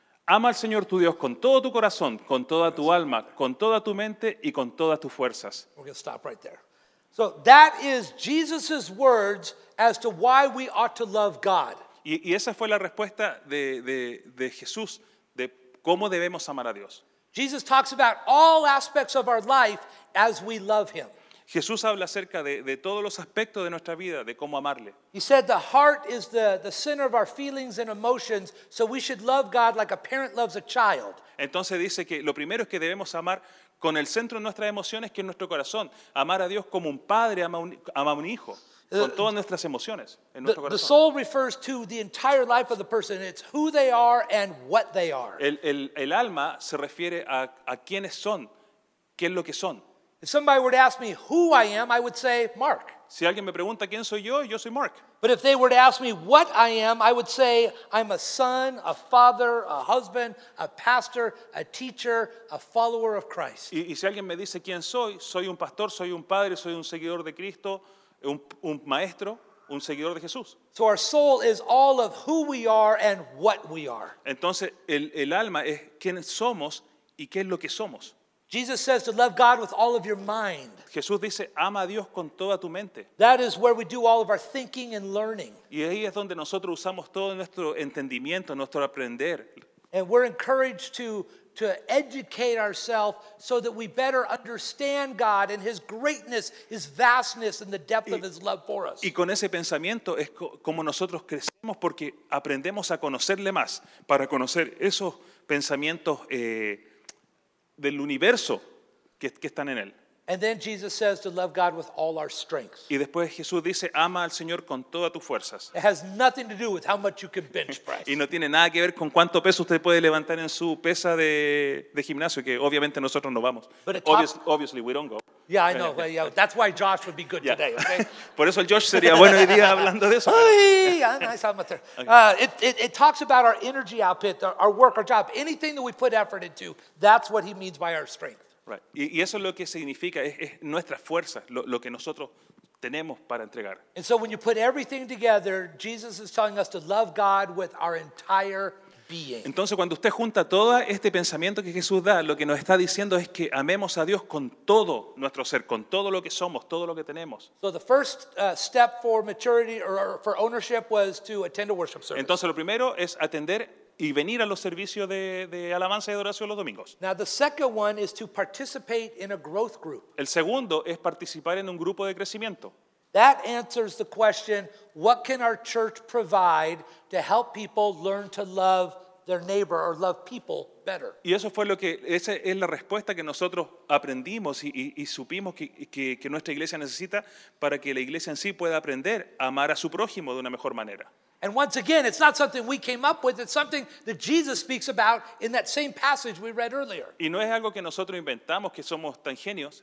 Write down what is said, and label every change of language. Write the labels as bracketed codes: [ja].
[es] Ama al Señor tu Dios con todo tu corazón, con toda tu alma, con toda tu mente y con todas tus fuerzas. [en] We're going to stop right there. So that is Jesus' words as to why we ought to love God. [es] Y esa fue la respuesta de Jesús de cómo debemos amar a Dios. [en] Jesus talks about all aspects of our life as we love him. [es] Jesús habla acerca de todos los aspectos de nuestra vida, de cómo amarle. [en] He said the heart is the center of our feelings and emotions, so we should love God like a parent loves a child. [es] Entonces dice que lo primero es que debemos amar con el centro de nuestras emociones, que es nuestro corazón. Amar a Dios como un padre ama a un hijo, con todas nuestras emociones en nuestro corazón. [en] The soul refers to the entire life of the person. It's who they are and what they are. [es] El alma se refiere a quiénes son, qué es lo que son. [en] If somebody were to ask me who I am, I would say Mark. [es] Si alguien me pregunta quién soy yo, yo soy Mark. [en] But if they were to ask me what I am, I would say I'm a son, a father, a husband, a pastor, a teacher, a follower of Christ. [es] Y si alguien me dice quién soy, soy un pastor, soy un padre, soy un seguidor de Cristo, un maestro, un seguidor de Jesús. [en] So our soul is all of who we are and what we are. [es] Entonces el alma es quién somos y qué es lo que somos. [en] Jesus says to love God with all of your mind. [es] Jesús dice, ama a Dios con toda tu mente. [en] That is where we do all of our thinking and learning. [es] Y ahí es donde nosotros usamos todo nuestro entendimiento, nuestro aprender. [en] And we're encouraged to educate ourselves so that we better understand God and His greatness, His vastness, and the depth of His love for us. [es] Y con ese pensamiento es como nosotros crecemos porque aprendemos a conocerle más para conocer esos pensamientos del universo que están en él. [en] And then Jesus says to love God with all our strength. [es] Y después Jesús dice, ama al Señor con todas tus fuerzas. [en] It has nothing to do with how much you can bench press. [es] Y no tiene nada que ver con cuánto peso usted puede levantar en su pesa de gimnasio, que obviamente nosotros no vamos. [en] Obviously we don't go. Yeah, I know. Well, yeah, that's why Josh would be good today. Okay? [es] Por eso el Josh sería bueno hoy día hablando de eso. [en] Ay, nice amateur. It talks about our energy output, our work, our job, anything that we put effort into. That's what he means by our strength. Right. [es] Y eso es lo que significa, es nuestra fuerza, lo que nosotros tenemos para entregar. [en] And so when you put everything together, Jesus is telling us to love God with our entire being. [es] Entonces cuando usted junta todo este pensamiento que Jesús da, lo que nos está diciendo es que amemos a Dios con todo nuestro ser, con todo lo que somos, todo lo que tenemos. [en] So the first step for maturity or for ownership was to attend a worship service. [es] Entonces lo primero es atender y venir a los servicios de alabanza y adoración los domingos. [en] Now the second one is to participate in a growth group. [es] El segundo es participar en un grupo de crecimiento. [en] That answers the question, what can our church provide to help people learn to love their neighbor or love people better? [es] Y eso fue lo que, esa es la respuesta que nosotros aprendimos y supimos que nuestra iglesia necesita para que la iglesia en sí pueda aprender a amar a su prójimo de una mejor manera. [en] And once again, it's not something we came up with. It's something that Jesus speaks about in that same passage we read earlier. [es] Y no es algo que nosotros inventamos, que somos tan genios.